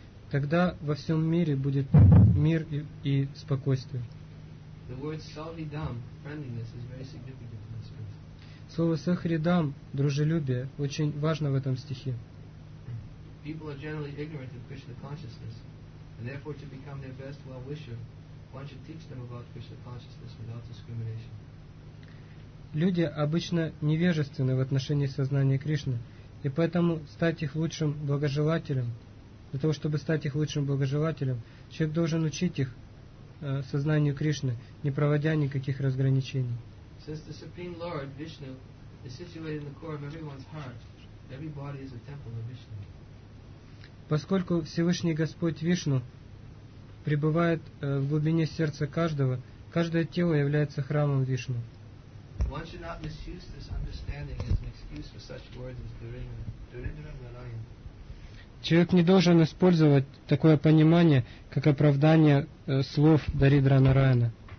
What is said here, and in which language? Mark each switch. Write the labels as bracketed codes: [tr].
[ru] Тогда во всем мире будет мир и спокойствие. [en] The word Sahridam, friendliness, is very significant in this verse. [ru] Слово Сахридам, дружелюбие, очень важно в этом стихе. [en] People are generally ignorant of Krishna consciousness, and therefore to become their best well-wisher, one should teach them about Krishna consciousness without discrimination. [ru] Люди обычно невежественны в отношении сознания Кришны, и поэтому стать их лучшим благожелателем, для того, чтобы стать их лучшим благожелателем, человек должен учить их сознанию Кришны, не проводя никаких разграничений. [en] Since the Supreme Lord, Vishnu, is situated in the core of everyone's heart, every body is a temple of Vishnu. [ru] Поскольку Всевышний Господь Вишну пребывает в глубине сердца каждого, каждое тело является храмом Вишну. [en] One should not misuse this understanding as an excuse for such words as Durindra and Narayan. [ru] Человек не должен использовать такое понимание, как оправдание слов Даридра Нараяна.